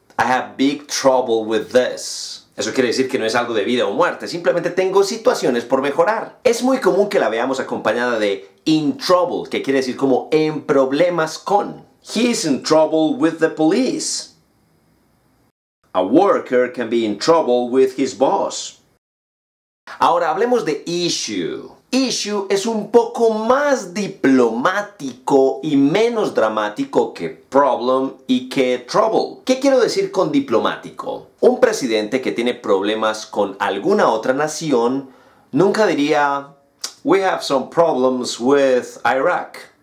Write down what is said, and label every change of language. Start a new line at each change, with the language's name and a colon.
English: I have big trouble with this.
Spanish: Eso quiere decir que no es algo de vida o muerte, simplemente tengo situaciones por mejorar. Es muy común que la veamos acompañada de in trouble, que quiere decir como en problemas con.
English: He's in trouble with the police. A worker can be in trouble with his boss.
Spanish: Ahora hablemos de issue. Issue es un poco más diplomático y menos dramático que problem y que trouble. ¿Qué quiero decir con diplomático? Un presidente que tiene problemas con alguna otra nación nunca diría,
English: we have some problems with Iraq.